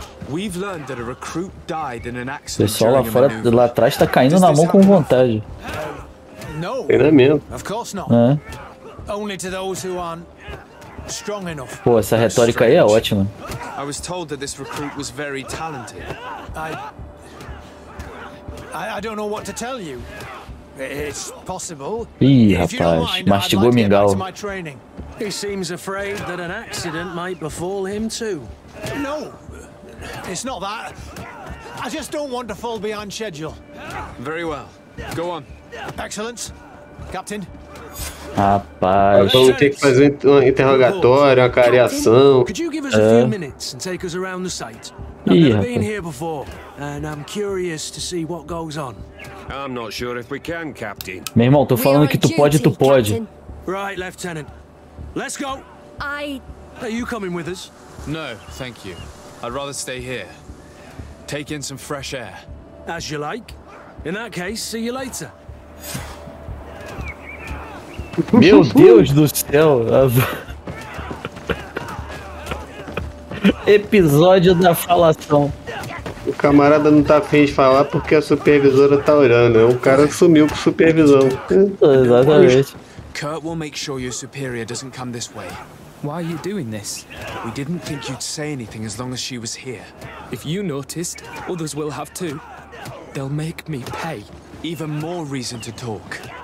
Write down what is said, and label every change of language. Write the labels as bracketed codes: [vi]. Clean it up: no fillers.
[en] We've learned that a recruit died in an accident. [pt] Pessoal lá fora, lá atrás tá caindo na mão com vontade. Não. [en] Of course not. Only to those who aren't strong enough. [pt] Pô, essa retórica aí é ótima. [en] I was told that this recruit was very talented. I don't know what to tell you. It's possible. [pt] Ih, rapaz, mastigou mingau. [en] He seems afraid that an accident might befall him too. No. It's not that. I just don't want to fall behind schedule. Very well. Go on. Excellence. Captain. Rapaz, [pt] vamos ter que fazer um interrogatório, uma careação. [en] Could you give us a few minutes and take us around the site? I've never been here before and I'm curious to see what goes on. I'm not sure if we can, Captain. [pt] Meu irmão, tô falando que tu pode. [en] Right, Lieutenant. Let's go. I Are you coming with us? No, thank you. I'd rather stay here. Take in some fresh air. As you like. In that case, see you later. [pt] Meu Deus do céu. Episódio da falação. O camarada não tá afim de falar porque a supervisora tá olhando. O cara sumiu com supervisão. Exatamente. [en] Kurt will make sure your superior doesn't come this way. Why are you doing this? We didn't think you'd say anything as long as she was here. If you noticed, others will have too. They'll make me pay. Even more reason to talk.